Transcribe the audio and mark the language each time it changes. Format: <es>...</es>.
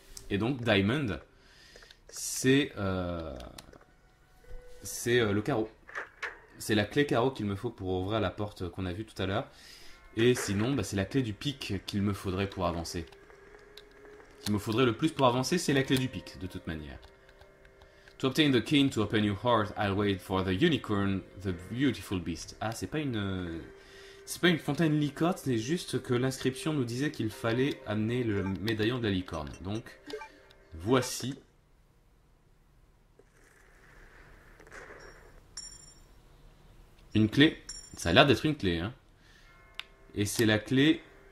<fr>Et donc, Diamond, c'est le carreau. C'est la clé carreau qu'il me faut pour ouvrir la porte qu'on a vue tout à l'heure. Et sinon, bah, c'est la clé du pic qu'il me faudrait pour avancer. Qu'il me faudrait le plus pour avancer, c'est la clé du pic, de toute manière.</fr> <en>To obtain the key to open your heart, I'll wait for the unicorn, the beautiful beast.</en> <fr>Ah, c'est pas une fontaine licorne, c'est juste que l'inscription nous disait qu'il fallait amener le médaillon de la licorne. Donc, voici. Une clé. Ça a l'air d'être une clé, hein. Et c'est la clé.</fr>